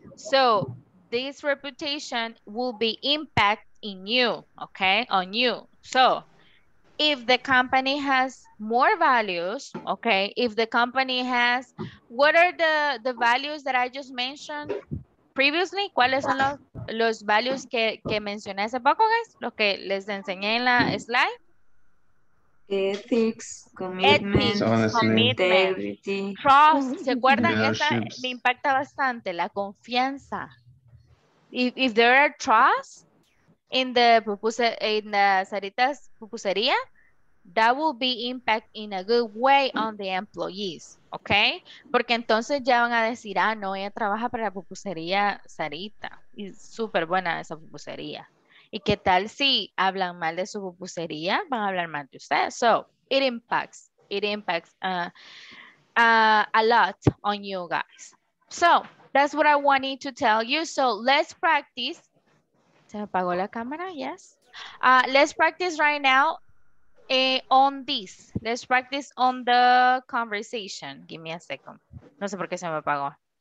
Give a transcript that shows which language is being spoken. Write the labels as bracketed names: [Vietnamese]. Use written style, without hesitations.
[English] So this reputation will be impact in you, okay, on you. So if the company has more values, okay, if the company has, what are the values that I just mentioned previously? [Spanish] ¿Cuáles son los values que mencioné hace poco, guys? Lo que les enseñé en la slide. [English] Ethics, commitment, [Spanish] trust. ¿Se acuerdan? Esa me impacta bastante, la confianza. [English] If there are trust in the Saritas pupusería, that will be impact in a good way on the employees, okay? [Spanish] Porque entonces ya van a decir, ah, no, ella trabaja para la pupusería Sarita. Y súper buena esa pupusería. ¿Y qué tal si hablan mal de su pupusería? Van a hablar mal de usted. [English] So, it impacts a lot on you guys. So, that's what I wanted to tell you. So, let's practice. [Spanish] ¿Se me apagó la cámara? [English] Yes. Let's practice right now. On this, let's practice on the conversation. Give me a second. [Spanish] No sé por qué se me apagó.